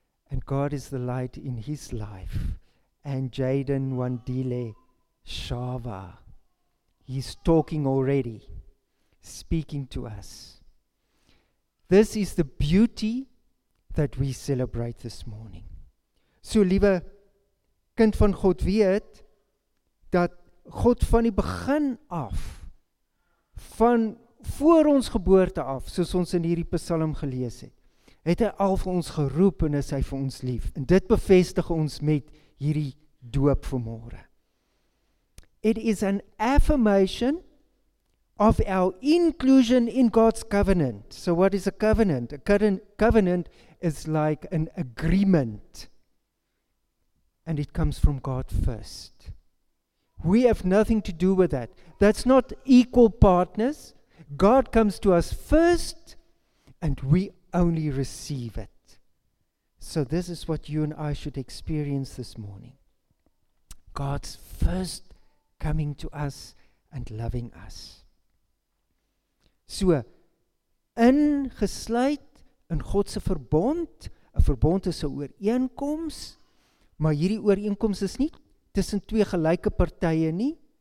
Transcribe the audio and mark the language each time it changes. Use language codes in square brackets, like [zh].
[en] And God is the light in his life. And Jaden Wandile Shava. He's talking already, speaking to us. This is the beauty that we celebrate this morning. [af] So, liewe kind van God weet, dat God van die begin af, van voor ons geboorte af, soos ons in hierdie psalm gelees het, het hy al vir ons geroep en is hy vir ons lief. En dit bevestig ons met hierdie doop vanmôre. [en] It is an affirmation of our inclusion in God's covenant. So what is a covenant? A covenant is like an agreement. And it comes from God first. We have nothing to do with that. That's not equal partners. God comes to us first and we only receive it. So this is what you and I should experience this morning. God's first coming to us and loving us. [af] So, ingesluit in Godse verbond, 'n verbond is 'n ooreenkoms, maar hierdie ooreenkoms is nie tussen twee gelyke partye nie.